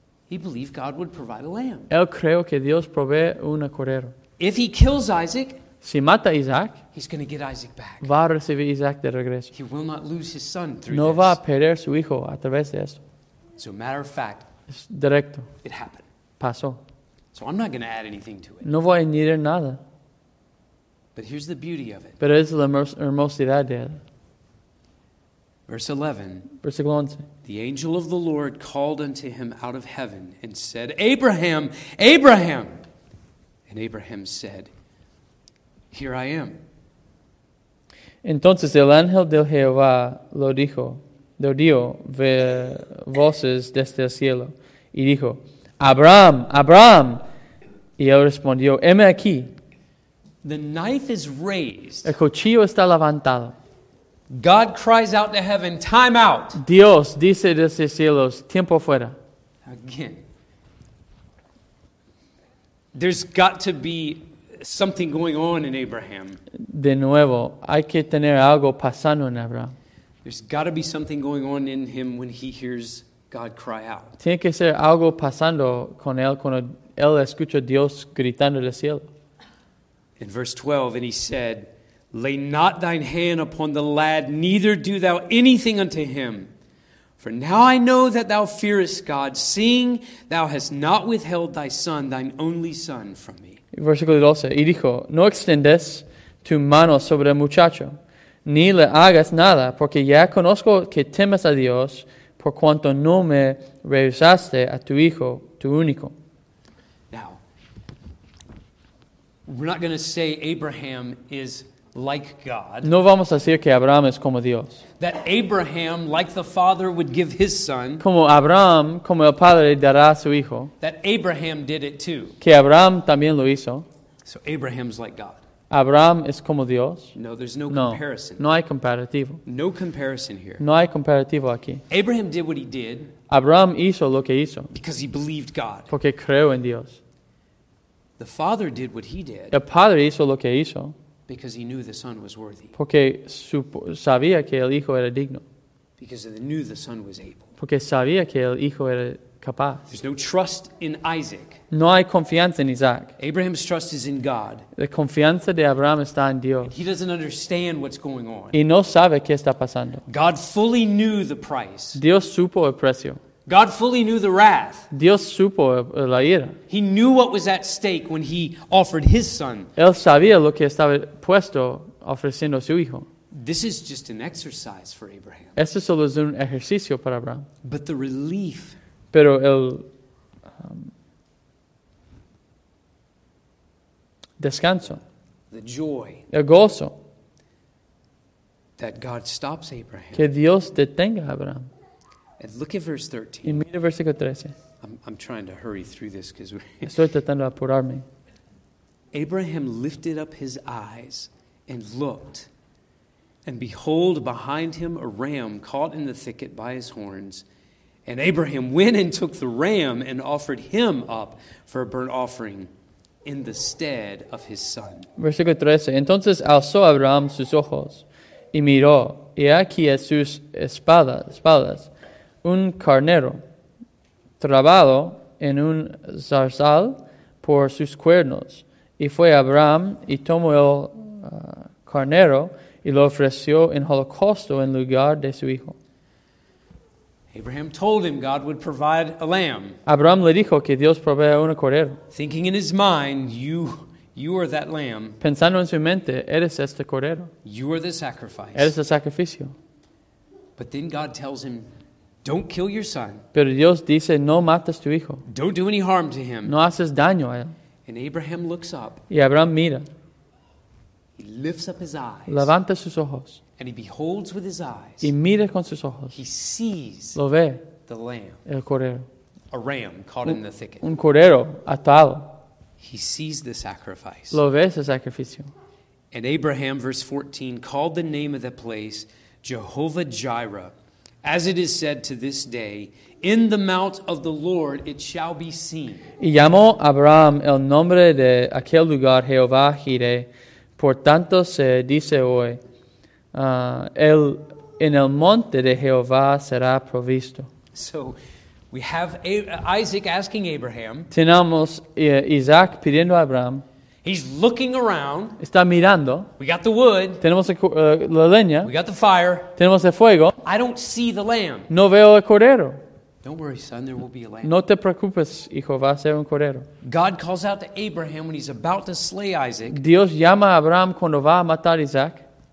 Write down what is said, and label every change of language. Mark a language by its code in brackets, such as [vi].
[en] He believed God would provide a lamb. [es] Él creyó que Dios provee un cordero. [en] If he kills Isaac, [es] si mata a Isaac, [en] he's going to get Isaac back. [es] Va a recibir Isaac de regreso. [en] He will not lose his son through no this. [es] Va a perder su hijo a través de esto. [en] So matter of fact, [es] es directo. [en] It happened. [es] pasó. [en] So I'm not going to add anything to it. [es] No voy a añadir nada. [en] But here's the beauty of it. [es] Pero es la hermosidad de él. [en] Verse 11. [es] Versículo 11. [en] The angel of the Lord called unto him out of heaven and said, Abraham, Abraham. And Abraham said, Here I am. [es] Entonces el ángel de Jehová lo dijo, lo dio voces desde el cielo y dijo, Abraham, Abraham. Y él respondió, heme aquí. [en] The knife is raised. [es] El cuchillo está levantado. [en] God cries out to heaven, time out. [es] Dios dice desde cielos, tiempo fuera. [en] Again. There's got to be something going on in Abraham. [es] De nuevo, hay que tener algo pasando en Abraham. [en] There's got to be something going on in him when he hears God cry out. [es] Tiene que ser algo pasando con él cuando él escucha a Dios gritando del cielo. [en] In verse 12, and he said, Lay not thine hand upon the lad, neither do thou anything unto him. For now I know that thou fearest God, seeing thou hast not withheld thy son, thine only son, from me. [es] Versículo 12, y dijo, No extendes tu mano sobre el muchacho, ni le hagas nada, porque ya conozco que temes a Dios, por cuanto no me rehusaste a tu hijo, tu único. [en] Now, we're not going to say Abraham is like God. [es] No vamos a decir que Abraham es como Dios. [en] That Abraham, like the father, would give his son. [es] Como Abraham, como el padre, dará a su hijo. [en] That Abraham did it too. [es] Que Abraham también lo hizo. [en] So Abraham's like God. [es] Abraham es como Dios. [en] No, there's no, no comparison. [es] No hay comparativo. [en] No comparison here. [es] No hay comparativo aquí. [en] Abraham did what he did. [es] Abraham hizo lo que hizo. [en] Because he believed God. [es] Porque creó en Dios. [en] The father did what he did. [es] El padre hizo lo que hizo. [en] Because he knew the son was worthy. [es] Porque sabía que el hijo era digno. [en] Because he knew the son was able. [es] Porque sabía que el hijo era capaz. [en] There's no trust in Isaac. [es] No hay confianza en Isaac. [en] Abraham's trust is in God. [es] La confianza de Abraham está en Dios. [en] And he doesn't understand what's going on. [es] Y no sabe qué está pasando. [en] God fully knew the price. [es] Dios supo el precio. [en] God fully knew the wrath. [es] Dios supo la ira. [en] He knew what was at stake when he offered his son. [es] Él sabía lo que estaba puesto ofreciendo a su hijo. [en] This is just an exercise for Abraham. [es] Esto solo es un ejercicio para Abraham. [en] But the relief. [es] Pero el descanso. [en] The joy. [es] El gozo. [en] That God stops Abraham. [es] Que Dios detenga a Abraham. [en] And look at verse 13. [es] Y mira versículo 13. [en] I'm trying to hurry through this because we're. [es] Estoy tratando de apurarme. [en] Abraham lifted up his eyes and looked, and behold, behind him a ram caught in the thicket by his horns. And Abraham went and took the ram and offered him up for a burnt offering in the stead of his son. [es] Versículo 13. Entonces alzó Abraham sus ojos y miró, y aquí a sus espaldas. Un carnero trabado en un zarzal por sus cuernos. Y fue Abraham y tomó el carnero y lo ofreció en holocausto en lugar de su hijo. [en] Abraham told him God would provide a lamb. [es] Abraham le dijo que Dios proveerá un cordero. [en] Thinking in his mind, you are that lamb. [es] Pensando en su mente, eres este cordero. [en] You are the sacrifice. [es] Eres el sacrificio. [en] But then God tells him, Don't kill your son. [es] Pero Dios dice, no matas tu hijo. [en] Don't do any harm to him. [es] No haces daño a él. [en] And Abraham looks up. [es] Y Abraham mira. [en] He lifts up his eyes. [es] Levanta sus ojos. [en] And he beholds with his eyes. [es] Y mira con sus ojos. [en] He sees. [es] Lo ve. [en] The lamb. [es] El cordero. [en] A ram caught in the thicket. [es] Un cordero atado. [en] He sees the sacrifice. [es] Lo ve ese sacrificio. [en] And Abraham, verse 14, called the name of the place Jehovah Jireh. As it is said to this day, in the mount of the Lord it shall be seen. [es] Y llamó Abraham el nombre de aquel lugar Jehová Jireh. Por tanto se dice hoy, en el monte de Jehová será provisto. [en] So, we have Isaac asking Abraham. [es] Tenemos Isaac pidiendo a Abraham. [en] He's looking around. [es] Está mirando. [en] We got the wood. [es] Tenemos la leña. [en] We got the fire. [es] Tenemos el fuego. [en] I don't see the lamb. [es] No veo el cordero. [en] Don't worry, son, there will be a lamb. [es] No te preocupes, hijo, va a ser un cordero. [en] God calls out to Abraham when he's about to slay Isaac. [es] Dios llama a Abraham cuando va a matar Isaac.